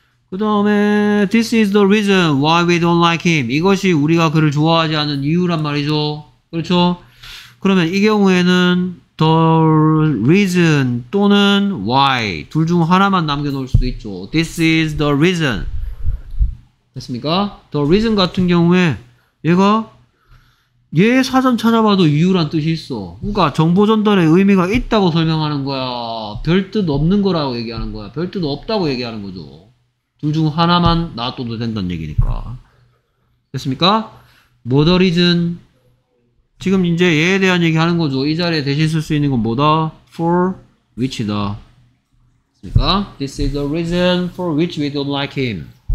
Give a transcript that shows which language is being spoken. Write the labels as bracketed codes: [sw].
[ko] 그 다음에 [en] this is the reason why we don't like him. [ko] 이것이 우리가 그를 좋아하지 않는 이유란 말이죠. 그렇죠? 그러면 이 경우에는 the reason 또는 why 둘 중 하나만 남겨놓을 수도 있죠. [en] This is the reason. [ko] 됐습니까? The reason 같은 경우에 얘가 얘 사전 찾아봐도 이유란 뜻이 있어. 그러니까 정보 전달의 의미가 있다고 설명하는 거야. 별 뜻 없는 거라고 얘기하는 거야. 별 뜻 없다고 얘기하는 거죠. 둘 중 하나만 놔둬도 된다는 얘기니까. 됐습니까? [en] What the reason? [ko] 지금 이제 얘에 대한 얘기 하는 거죠. 이 자리에 대신 쓸 수 있는 건 뭐다? [en] For which다. [ko] 그러니까 [en] this is the reason for which we don't like him.